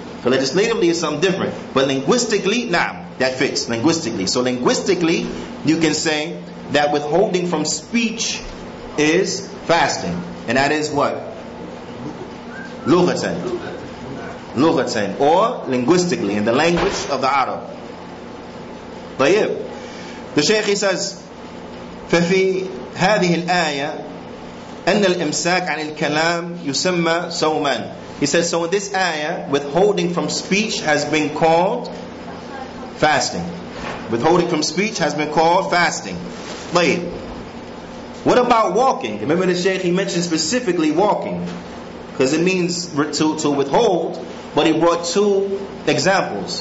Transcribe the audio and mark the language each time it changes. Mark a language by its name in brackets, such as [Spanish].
[English] For legislatively is something different. But linguistically, nah, that fits. Linguistically. So linguistically, you can say that withholding from speech is fasting. And that is what? Lughatan. Lughatan. Or linguistically, in the language of the Arab. Tayyib. The Shaykh, he says, [Arabic] ففي هذه الآية أن الإمساك عن الكلام يسمى صوما. [English] He says, so in this ayah, withholding from speech has been called fasting. Withholding from speech has been called fasting. طيب. What about walking? Remember the Shaykh, he mentioned specifically walking, because it means to withhold, but he brought two examples.